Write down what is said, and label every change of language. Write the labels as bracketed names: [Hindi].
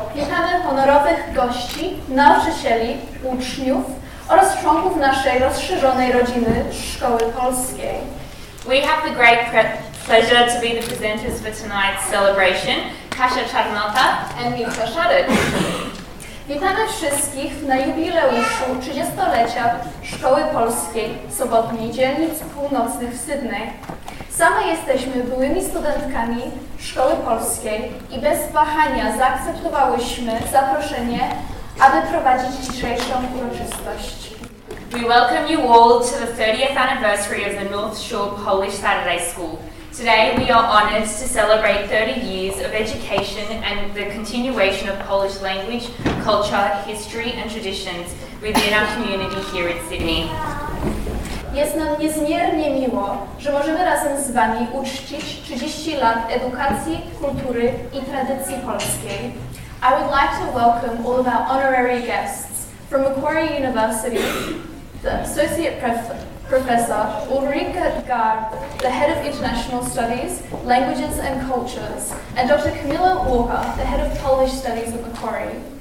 [Polish] Witamy honorowych gości, nauczycieli, uczniów oraz członków naszej rozszerzonej rodziny Szkoły Polskiej. [English] We have the great pleasure to be the presenters for tonight's celebration, Kasia Czarnota and Milka Szaryk. [Polish] Witamy wszystkich na jubileuszu 30-lecia Szkoły Polskiej Sobotniej Dzielnic Północnych w Sydney. Same jesteśmy byłymi studentkami Szkoły Polskiej i bez wahania zaakceptowałyśmy zaproszenie, aby prowadzić dzisiejszą uroczystość. [English] We welcome you all to the 30th anniversary of the North Shore Polish Saturday School. Today we are honored to celebrate 30 years of education and the continuation of Polish language, culture, history and traditions within our community here in Sydney. [Polish] Jest nam niezmiernie miło, że możemy razem z Wami uczcić 30 lat edukacji, kultury i tradycji polskiej. [English] I would like to welcome all of our honorary guests from Macquarie University, the Associate Professor Ulrika Gard, the Head of International Studies, Languages and Cultures, and Dr. Camilla Walker, the Head of Polish Studies at Macquarie.